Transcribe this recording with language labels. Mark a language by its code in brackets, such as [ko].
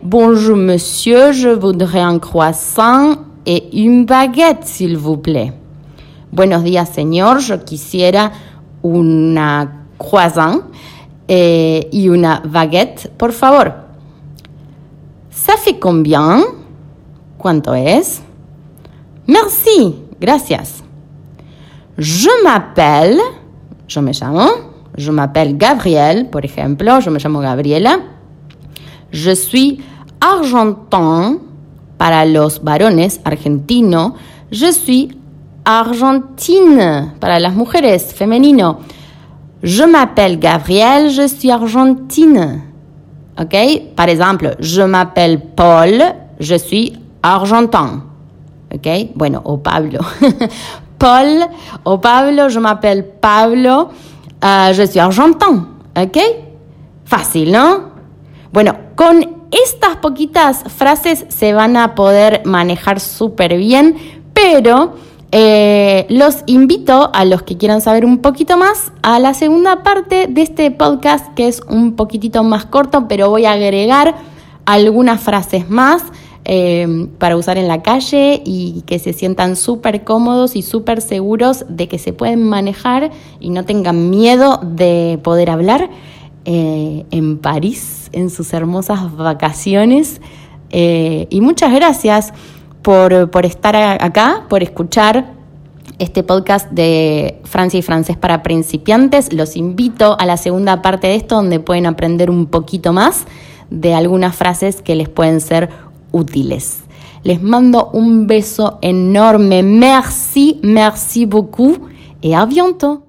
[fr] Bonjour, monsieur, je voudrais un croissant et une baguette, s'il vous plaît. [es] Buenos días, señor, yo quisiera una croissant Y una baguette, por favor. [fr] ¿Ça fait combien? [es] ¿Cuánto es? [fr] Merci, gracias. Je m'appelle Gabriel, [es] por ejemplo, yo me llamo Gabriela. [fr] Je suis argentin, [es] para los varones, argentino. [fr] Je suis argentine, [es] para las mujeres, femenino. [fr] Je m'appelle Gabriel, je suis argentine. Ok, par exemple, je m'appelle Paul, je suis argentin. [es] Ok, bueno, o Pablo. Paul o Pablo, [fr] je m'appelle Pablo, je suis argentin. [es] Ok, fácil, ¿no? Bueno, con estas poquitas frases se van a poder manejar súper bien, pero los invito a los que quieran saber un poquito más a la segunda parte de este podcast, que es un poquitito más corto, pero voy a agregar algunas frases más para usar en la calle y que se sientan súper cómodos y súper seguros de que se pueden manejar y no tengan miedo de poder hablar en París, en sus hermosas vacaciones. Y muchas gracias por estar acá, por escuchar este podcast de Francia y Francés para principiantes. Los invito a la segunda parte de esto, donde pueden aprender un poquito más de algunas frases que les pueden ser útiles. Les mando un beso enorme. [fr] Merci, merci beaucoup, et à bientôt.